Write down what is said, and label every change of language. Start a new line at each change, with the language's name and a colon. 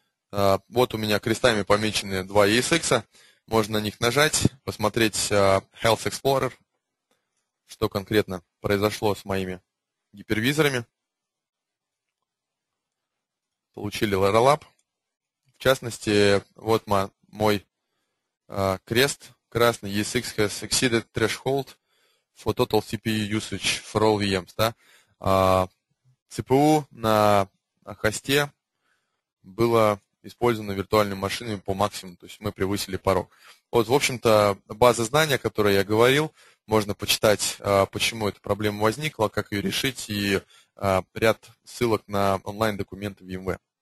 Russian: Вот у меня крестами помечены два ESX. Можно на них нажать, посмотреть Health Explorer, что конкретно произошло с моими гипервизорами. Получили LoRaWAN. В частности, вот мой крест красный.
English: ESX has exceeded threshold for total CPU usage for all VMs.
Russian: Да? CPU на хосте было использовано виртуальными машинами по максимуму. То есть мы превысили порог. Вот, в общем-то, база знаний, о которой я говорил, можно почитать, почему эта проблема возникла, как ее решить, и ряд ссылок на онлайн-документы VMware.